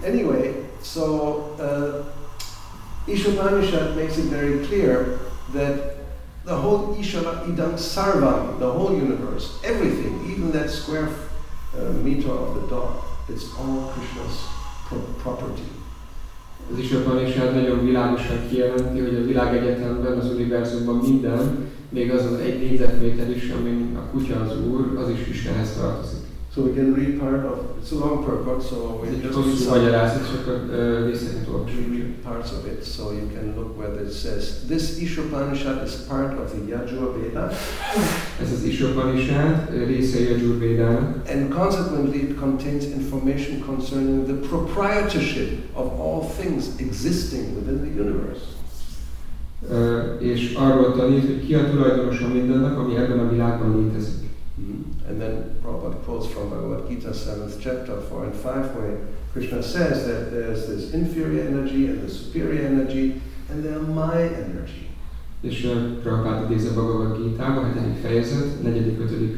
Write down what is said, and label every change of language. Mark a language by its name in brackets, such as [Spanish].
[English] Anyway, so Ishvanishad makes it very clear that the whole [Sanskrit] Ishvara Idam Sarvam, [English] the whole universe, everything, even that square meter of the dog, it's all Krishna's property. [Hungarian] Az Ishvanishad nagyon világosan kijelenti, hogy a világegyetemben, az univerzumban minden, még az egy négyzetméter is, ami a kutya az úr, az is Istenhez tartozik. [English] So we can read part of it. It's a long purport, so we parts of it, so you can look where it says this Ishvanishad is part of the Yajurveda. [Hungarian] Ez az Ishvanishad része Yajurvédának. [English] And consequently, it contains information concerning the proprietorship of all things existing within the universe. [Hungarian] És arról tanít, hogy ki a tulajdonos a mindennek, ami ebben a világban létezik. [English] And then Prabhupada quotes from Bhagavad Gita 7th chapter 4 and 5 where Krishna says that there's this inferior energy and the superior energy and they're my energy. [Hungarian] És Prabhupada idéz a Bhagavad Gita-ba, hát egy fejezet, 4.-5.